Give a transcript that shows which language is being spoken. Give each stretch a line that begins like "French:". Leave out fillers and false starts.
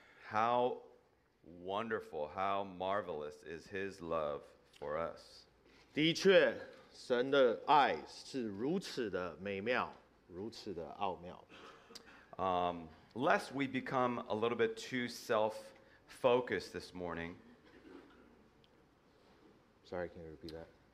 English: How wonderful, how marvelous is His love for us.
Chinese: 的确，神的爱是如此的美妙，如此的奥妙。
English: Lest we become a little bit too self-focused this morning. Sorry, can you repeat that?